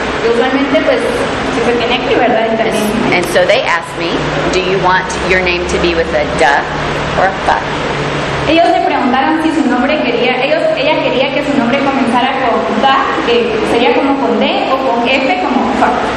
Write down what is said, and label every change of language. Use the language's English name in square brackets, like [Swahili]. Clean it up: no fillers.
[Spanish] Usualmente, pues, si se tiene aquí, ¿verdad? También. [English] And so they asked me, do you want your name to be with a duh or a fa? [Spanish] Ellos le preguntaron si su nombre quería, ella quería que su nombre comenzara con da, que sería como con d o con f como fa.